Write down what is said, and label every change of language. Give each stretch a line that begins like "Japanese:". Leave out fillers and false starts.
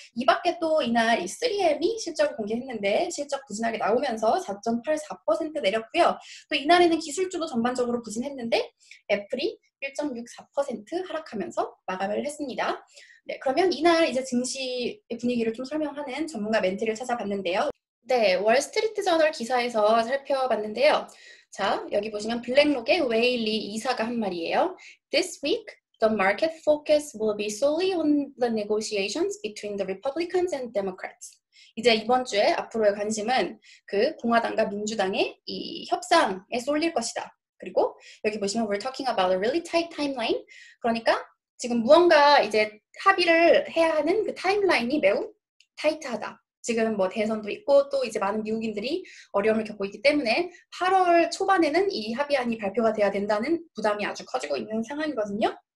Korean: 이 밖에 또 이날 이 3M이 실적을 공개했는데 실적 부진하게 나오면서 4.84% 내렸고요. 또 이날에는 기술주도 전반적으로 부진했는데 애플이 1.64% 하락하면서 마감을 했습니다. 네, 그러면 이날 이제 증시의 분위기를 좀 설명하는 전문가 멘트를 찾아봤는데요. 네, 월스트리트 저널 기사에서 살펴봤는데요. 자, 여기 보시면 블랙록의 웨일리 이사가 한 말이에요.
English: This week, the market focus will be solely on the negotiations between the Republicans and Democrats.
Korean: 이제 이번 주에 앞으로의 관심은 그 공화당과 민주당의 이 협상에 쏠릴 것이다. 그리고 여기 보시면
English: we're talking about a really tight timeline.
Korean: 그러니까 지금 무언가 이제 합의를 해야 하는 그 타임라인이 매우 타이트하다. 지금 뭐 대선도 있고 또 이제 많은 미국인들이 어려움을 겪고 있기 때문에 8월 초반에는 이 합의안이 발표가 돼야 된다는 부담이 아주 커지고 있는 상황이거든요.